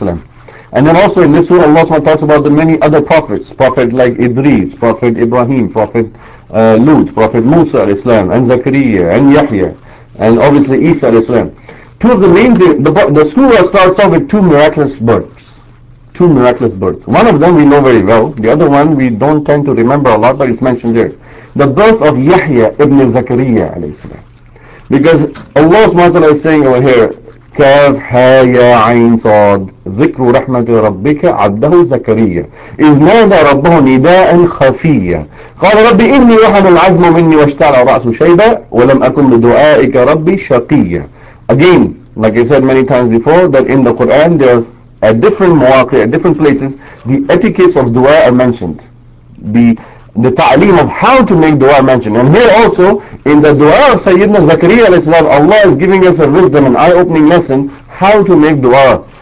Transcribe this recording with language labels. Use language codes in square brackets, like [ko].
[en] And then also in this Surah, Allah SWT talks about the many other prophets, prophet like Idris, prophet Ibrahim, prophet Lut, prophet Musa al Islam, and Zakariya, and Yahya, and obviously Isa al Islam. Two of the main the Surah starts off with two miraculous births. One of them we know very well, the other one we don't tend to remember a lot, but it's mentioned there. The birth of Yahya ibn Zakariya al Islam. Because Allah SWT is saying over here, [ar] كَافْ هَا يَا عَيْنْ صَاد ذِكْرُ رَحْمَةِ رَبِّكَ عَبْدَهُ زَكَرِيَّ إِذْ نَادَ رَبَّهُ نِدَاءً خَفِيَّ قَالَ رَبِّ إِنِّي وَهَنَ الْعَظْمُ مِنِّي وَاشْتَعَلَ رَأْسُ شَيْبًا وَلَمْ أَكُنْ لِدُعَائِكَ رَبِّي شَقِيَّ. [en] Again, like I said many times before, that in the Quran there's at different mawaqi', at different places, the etiquettes of dua are mentioned. The ta'aleem of how to make dua mentioned. And here also, in the dua of Sayyidina Zakariya alayhi salam, Allah is giving us a wisdom, an eye-opening lesson, how to make dua.